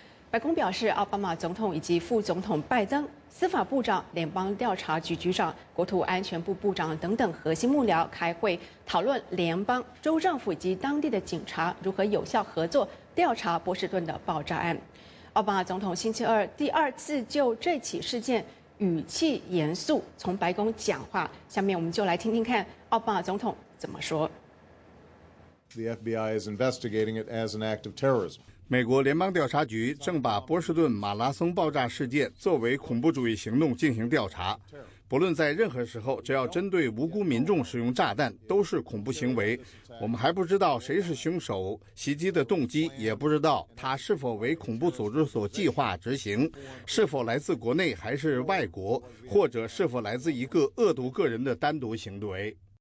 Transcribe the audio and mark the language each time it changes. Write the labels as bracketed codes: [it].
[zh] 白宫表示，奥巴马总统以及副总统拜登、司法部长、联邦调查局局长、国土安全部部长等等核心幕僚开会，讨论联邦、州政府以及当地的警察如何有效合作调查波士顿的爆炸案。奥巴马总统星期二第二次就这起事件语气严肃从白宫讲话，下面我们就来听听看奥巴马总统怎么说。 [en] The FBI is investigating it as an act of terrorism. [zh] 美国联邦调查局正把波士顿马拉松爆炸事件作为恐怖主义行动进行调查，不论在任何时候，只要针对无辜民众使用炸弹都是恐怖行为。我们还不知道谁是凶手，袭击的动机也不知道，它是否为恐怖组织所计划执行，是否来自国内还是外国，或者是否来自一个恶毒个人的单独行为。